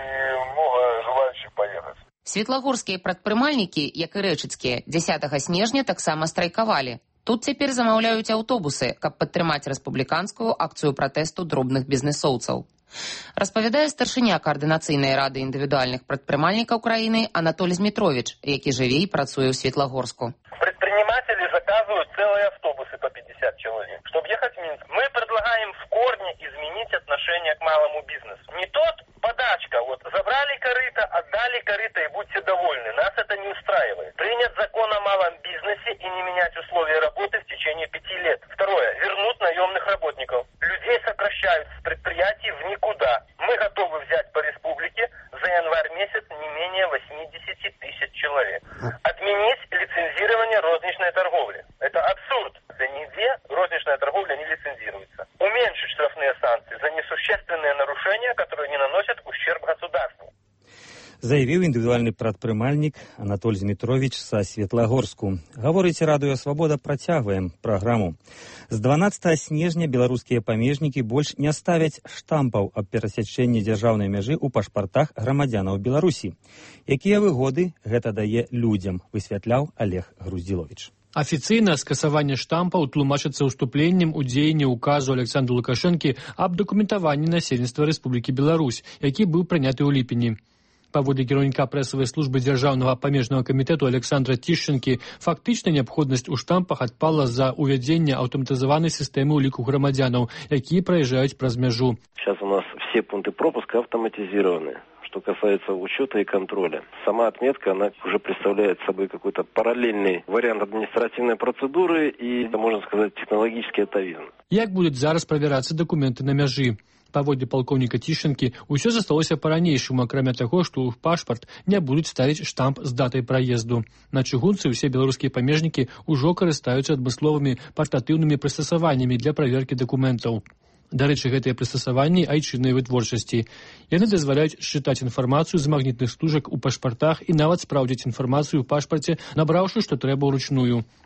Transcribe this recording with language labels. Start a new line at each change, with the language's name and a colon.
Russian: И много желающих поехать.
Belarusian: Світлогорскія прадпрымальнікі, як і рэчыцкія, 10 снежня таксама страйкавалі. Тут цяпер замаўляюць аўтобусы, каб падтрымаць рэспубліканскую акцыю пратэсту дробных бізнэсоўцаў. Распавядае старшыня каардынацыйнай рады індывідуальных прадпрымальнікаў краіны Анатоль Змітровіч, які жыве і працуе ў Світлагорску. Прадпрымальнікі заказваюць цэлыя аўтобусы па 50
Russian: выпустили, чтобы ехать в Минск. Мы предлагаем в корне изменить отношение к малому бизнесу. Не тот подачка, вот забрали корыто, отдали корыто и будьте довольны. Нас это не устраивает. Принять закон о малом бизнесе и не менять условия работы в течение 5 лет. Второе. Вернуть наемных работников. Людей сокращают с предприятий в никуда. Мы готовы взять по республике за январь месяц не менее 80 тысяч человек. Отменить лицензирование розничной торговли. Это абсурд. Да нигде розничная торговля не лицензируется. Уменьшить штрафные санкции за несущественные нарушения, которые не наносят ущерб государству.
Belarusian: Заявіў індывідуальны прадпрымальнік Анатоль Змітровіч са Светлагорску. Гаворыць Радыё Свабода, працягваем праграму. З 12 снежня беларускія памежнікі больш не ставяць штампаў аб перасячэнні дзяржаўнай мяжы ў пашпартах грамадзянаў Беларусі. Якія выгоды гэта дае людзям, высвятляў Алег Груздзіловіч. Афіцыйна скасаванне штампаў тлумачыцца ўступленнем у дзеянне ўказу Александра Лукашэнкі аб дакументаванні насельніцтва Рэспублікі Беларусь, які быў прыняты ў ліпені. Паводле кіраўніка прэсавай службы дзяржаўнага памежнага камітэту Александра Тішчынкі, фактычна неабходнасць у штампах адпала з-за ўвядзення аўтаматызаванай сістэмы ўліку грамадзянаў, якія праязджаюць праз мяжу.
Russian: Сейчас у нас все пункты пропуска автоматизированы. Что касается учета и контроля. Сама отметка, она уже представляет собой какой-то параллельный вариант административной процедуры и, можно сказать, технологический атавизм.
Belarusian: Як будет зараз проверяться документы на мяжи? Паводле полковника Тішчынкі, усё засталося па-ранейшаму, акрамя таго, што ў пашпарт не будуць ставіць штамп з датай праезду. На чыгунцы ўсе беларускія памежнікі ўжо карыстаюцца адмысловымі партатыўнымі прыстасаваннямі для праверкі дакументаў. Дарэчы, гэтыя прыстасаванні айчыннай вытворчасці. Яны дазваляюць счытаць інфармацыю з магнітных стужак у пашпартах і нават спраўдзіць інфармацыю ў пашпарце, набраўшы, што трэба ўручную.